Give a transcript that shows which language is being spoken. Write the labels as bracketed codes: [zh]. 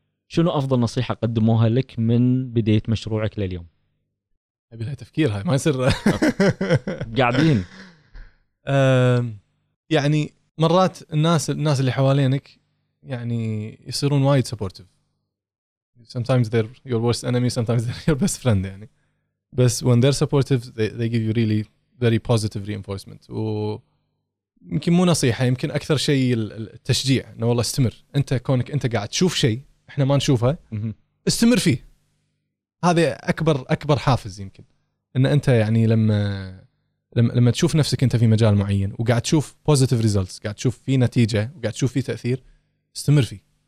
[ar] شنو أفضل نصيحة قدموها لك من بداية مشروعك لليوم؟ أبي لها تفكير, هاي ما يصير. قاعدين. يعني مرات الناس اللي حوالينك يعني يصيرون وايد سبورتيف. [en] Sometimes they're your worst enemy, sometimes they're your best friend يعني. بس when they're supportive, they give you really very positive reinforcement. [ar] ويمكن مو نصيحة, يمكن أكثر شيء التشجيع, إنه والله استمر. أنت كونك أنت قاعد تشوف شيء إحنا ما نشوفها, استمر فيه. هذا أكبر حافز يمكن, إن أنت يعني لما تشوف نفسك أنت في مجال معين وقاعد تشوف [en] positive results, [ar] قاعد تشوف في نتيجة وقاعد تشوف في تأثير, استمر فيه.